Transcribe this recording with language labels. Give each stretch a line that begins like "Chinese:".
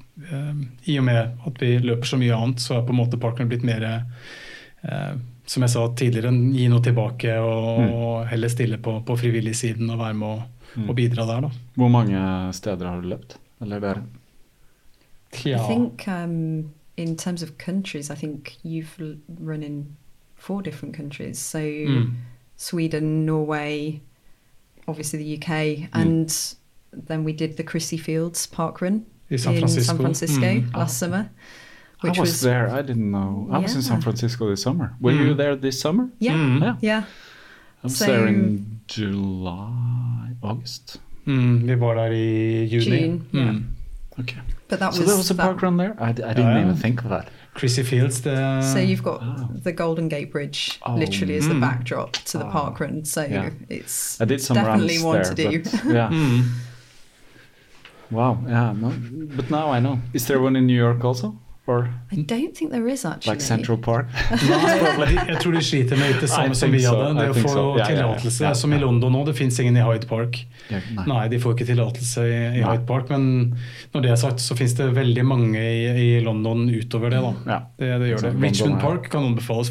Norwegian: I og med at vi løper så mye annet, så er på en måte parkrun blitt mer, som jeg sa tidligere, gi noe tilbake og heller stille på frivillig siden og være med og bidra der. Da. Hvor mange steder har du løpt? Eller der? Ja.
English: I think in terms of countries, I think you've run in 4 different countries. So Sweden, Norway, obviously the UK, and then we did the Crissy Fields parkrun in San Francisco last summer. Which I was there. I didn't know. I was in San Francisco this summer. Were you there this summer? Yeah. I was there in July, August. We were there in June. Okay. But that so there was a parkrun there? I didn't even think of that. Crissy Fields. So you've got the Golden Gate Bridge literally as the backdrop to the parkrun. So it's I did some definitely runs one there, to do. Yeah. Wow. Yeah. No, but now I know. Is there one in New York also? Or, I don't think there is actually. Like Central Park?
Norwegian: Jeg tror de sliter med det samme som vi hadde. Det å få tilatelse. Som i London nå, det finnes ingen i Hyde Park. Nei, de får ikke tilatelse i Hyde Park. Men når det er sagt, så finnes det veldig mange i London utover det. Det gjør det. Richmond Park kan anbefales.